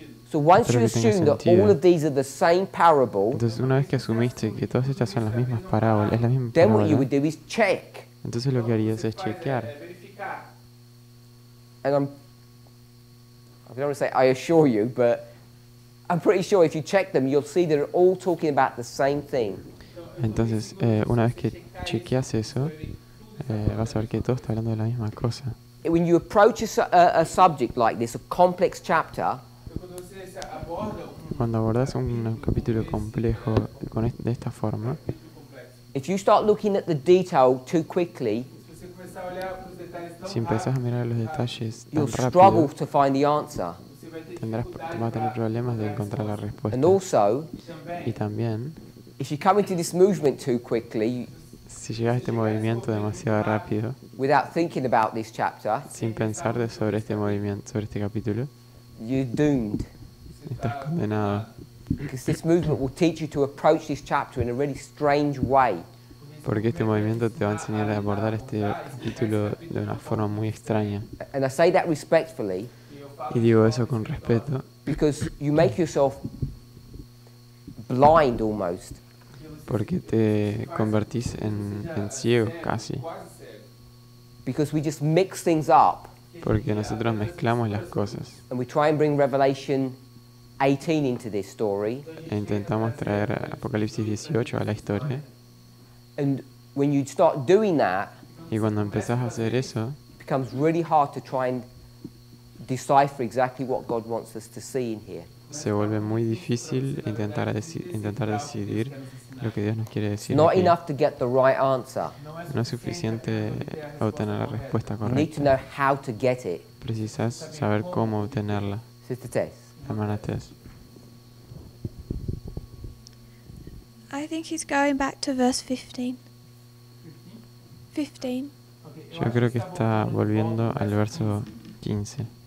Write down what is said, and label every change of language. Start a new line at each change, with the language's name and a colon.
English: So once you assume that all of these are the same parable,
Spanish: entonces una vez que asumiste que todas estas son las mismas parábolas, es la misma
English: parábola, then what you would do is check.
Spanish: Entonces lo que harías es chequear.
English: I don't want to say I assure you, but I'm pretty sure if you check them, you'll see they're all talking about the same thing.
Spanish: Entonces, una vez que chequeas eso, vas a ver que todo está hablando de la misma cosa.
English: When you approach a subject like this, a complex chapter,
Spanish: cuando abordas un capítulo complejo de esta forma,
English: if you start looking at the detail too quickly,
Spanish: si empezás a mirar los detalles
English: you'll
Spanish: tan
English: struggle
Spanish: rápido,
English: to find the answer.
Spanish: Vas a tener problemas de encontrar la respuesta.
English: And also,
Spanish: y también,
English: If you come into this movement too quickly,
Spanish: si llegas a este movimiento demasiado rápido,
English: without thinking about this chapter,
Spanish: sin pensar sobre este movimiento, sobre este capítulo,
English: you're doomed.
Spanish: Estás condenado.
English: Because this movement will teach you to approach this chapter in a really strange way.
Spanish: Porque este movimiento te va a enseñar a abordar este capítulo de una forma muy extraña.
English: And I say that respectfully.
Spanish: Y digo eso con respeto.
English: Because you make yourself blind almost.
Spanish: Porque te convertís en ciego casi.
English: Because we just mix things up.
Spanish: Porque nosotros mezclamos las cosas.
English: And we try and bring Revelation 18 into this story.
Spanish: E intentamos traer Apocalipsis 18 a la historia.
English: And when you start doing that,
Spanish: y cuando empezás a hacer eso,
English: it becomes really hard to try and decipher exactly what God wants us to see in here.
Spanish: Se vuelve muy difícil intentar decidir lo que Dios nos quiere decir.
English: Not enough to get the right answer.
Spanish: No es suficiente obtener la respuesta correcta.
English: You need to know how to get it.
Spanish: Precisas saber cómo obtenerla.
English: Sister Tess.
Spanish: Hermana Tess.
English: I think he's going back to verse 15.
Spanish: Yo creo que está volviendo al verso 15.